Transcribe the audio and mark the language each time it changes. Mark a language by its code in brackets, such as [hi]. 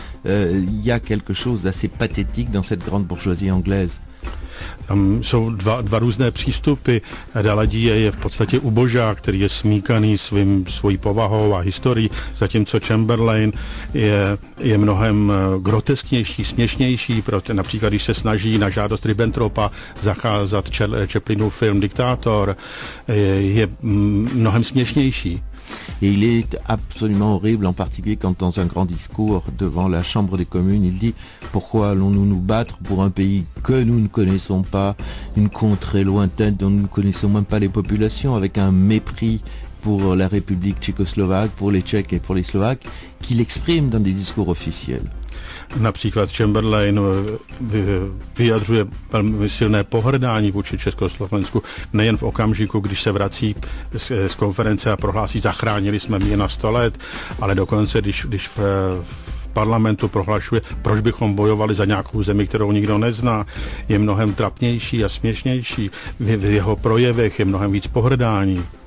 [fr] Y a quelque chose d'assez pathétique dans cette grande bourgeoisie anglaise. [cs] Tam jsou dva různé přístupy. Daladier je v podstatě ubožák, který je smíkaný svojí povahou a historií, zatímco Chamberlain je mnohem grotesknější, směšnější, například když se snaží na žádost Ribbentropa zacházet Chaplinův film Diktátor, je mnohem směšnější. [fr] Et il est absolument horrible, en particulier quand dans un grand discours devant la Chambre des communes, il dit « Pourquoi allons-nous nous battre pour un pays que nous ne connaissons pas, une contrée lointaine dont nous ne connaissons même pas les populations, avec un mépris pour la République tchécoslovaque, pour les Tchèques et pour les Slovaques, qu'il exprime dans des discours officiels ?» [cs] Například Chamberlain vyjadřuje velmi silné pohrdání vůči Československu, nejen v okamžiku, když se vrací z konference a prohlásí, zachránili jsme mě na 100 let, ale dokonce, když v parlamentu prohlašuje, proč bychom bojovali za nějakou zemi, kterou nikdo nezná, je mnohem trapnější a směšnější, v jeho projevech je mnohem víc pohrdání.